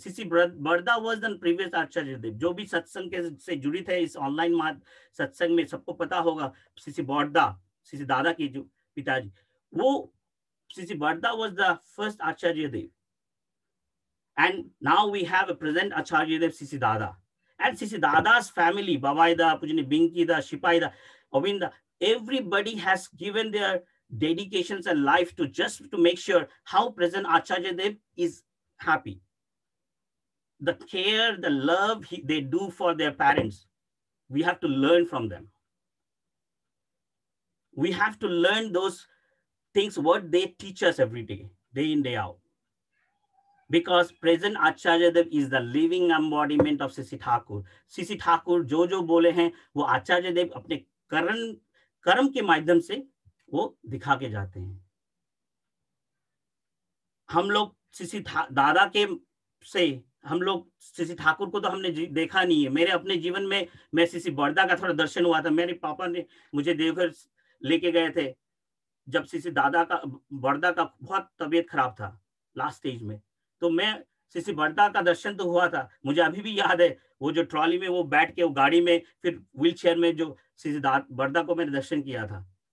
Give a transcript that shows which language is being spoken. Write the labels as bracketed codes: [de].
[en] CC Barda was the previous Acharya Dev, [hi] जो भी सत्संग के से जुड़ी थे इस ऑनलाइन सत्संग में सबको पता होगा सीसी बरदा, सीसी दादा की जो पिताजी, वो [en] CC Barda was the first Acharya Dev, and now we have a present Acharya Dev CC दादा, and CC Dada's family बाबाईदा पूजनी बिंकी दा शिपाई दा अविंद everybody has given there dedications and life to just to make sure how present Acharya Dev is happy. The care, the love they do for their parents, we have to learn from them. We have to learn those things, what they teach us every day, day in, day out. Because present Acharya Dev is the living embodiment of Sisi Thakur. [hi] Sisi Thakur, jo jo bole hain, wo Acharya Dev apne karam ke maidham se वो दिखा के जाते हैं। हम लोग दादा के से हम लोग श्री ठाकुर को तो हमने देखा नहीं है। मेरे अपने जीवन में मैं श्री बरदा का थोड़ा दर्शन हुआ था, मेरे पापा ने मुझे देवघर लेके गए थे जब श्री दादा का बरदा का बहुत तबीयत खराब था लास्ट स्टेज में, तो मैं श्री बरदा का दर्शन तो हुआ था, मुझे अभी भी याद है वो जो ट्रॉली में वो बैठ के वो गाड़ी में फिर व्हील चेयर में जो श्री बरदा को मैंने दर्शन किया था,